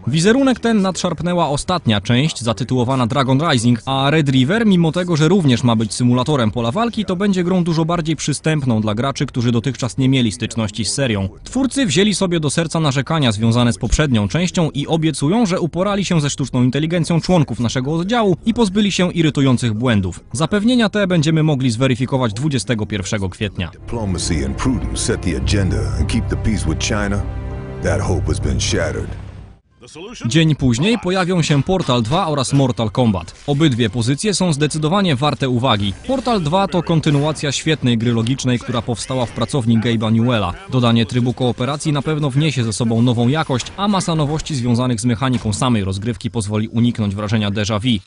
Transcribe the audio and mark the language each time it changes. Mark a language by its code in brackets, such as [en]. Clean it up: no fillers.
[pl] Wizerunek ten nadszarpnęła ostatnia część, zatytułowana Dragon Rising, a Red River, mimo tego, że również ma być symulatorem pola walki, to będzie grą dużo bardziej przystępną dla graczy, którzy dotychczas nie mieli styczności z serią. Twórcy wzięli sobie do serca narzekania związane z poprzednią częścią i obiecują, że uporali się ze sztuczną inteligencją członków naszego oddziału i pozbyli się irytujących błędów. Zapewnienia te będziemy mogli zweryfikować 21 kwietnia. [en] Set the agenda and keep the peace with China. That hope has been shattered. [pl] Dzień później pojawią się Portal 2 oraz Mortal Kombat. Obydwie pozycje są zdecydowanie warte uwagi. Portal 2 to kontynuacja świetnej gry logicznej, która powstała w pracowni Gabe'a Newella. Dodanie trybu kooperacji na pewno wniesie ze sobą nową jakość, a masa nowości związanych z mechaniką samej rozgrywki pozwoli uniknąć wrażenia déjà vu.